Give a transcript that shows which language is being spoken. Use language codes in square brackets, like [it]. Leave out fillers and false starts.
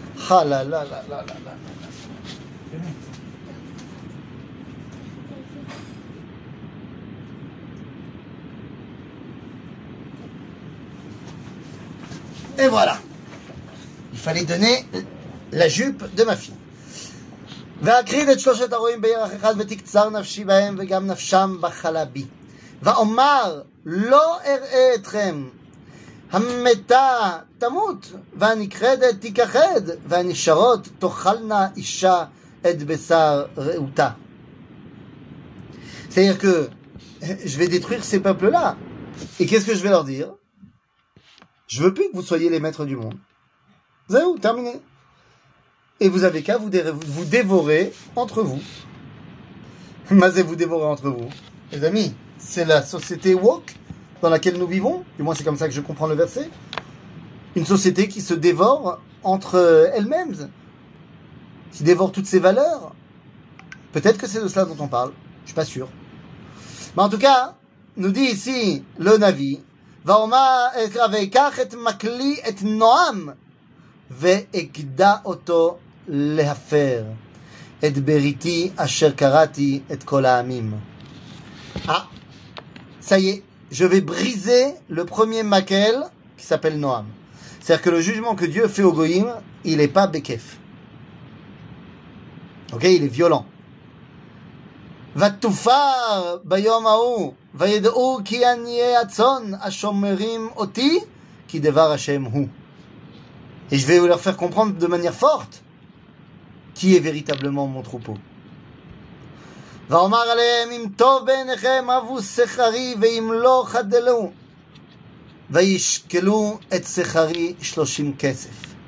[fr] Ah là là là là là là. Et voilà. Il fallait donner la jupe de ma fille. [he] ואקריד את שלושת הרועים בירח אחד ותקצר נפשי בהם וגם נפשם בחלבי. ואומר לא אראה אתכם. המתה תמות והנכחדת תכחד והנשארות תאכלנה אישה את בשר רעותה. [fr] C'est-à-dire que je vais détruire ces peuples-là. Et qu'est-ce que je vais leur dire? Je veux plus que vous soyez les maîtres du monde. Zéou, terminé. Et vous avez qu'à vous dévorer entre vous. Mazé, vous dévorer entre vous. Les amis, c'est la société woke dans laquelle nous vivons. Du moins, c'est comme ça que je comprends le verset. Une société qui se dévore entre elles-mêmes. Qui dévore toutes ses valeurs. Peut-être que c'est de cela dont on parle. Je suis pas sûr. Mais en tout cas, nous dit ici le Navi. [he] ואומר אקרא ויקח את מקלי את נועם ואגדע אותו להפר את בריתי אשר קראתי את כל העמים. [fr] Ah, ça y est, je vais briser le premier makel qui s'appelle Noam. C'est-à-dire que le jugement que Dieu fait au goyim, il est pas bekef. OK, il est violent. [he] ותופר ביום ההוא וידעו כי אני אהיה הצאן השומרים אותי כי דבר השם הוא. [fr] Et je vais vous leur faire comprendre de manière forte qui est véritablement mon troupeau. [he] ואומר עליהם אם טוב בעיניכם אבו שכרי ואם לא חדלו וישקלו את שכרי 30 כסף.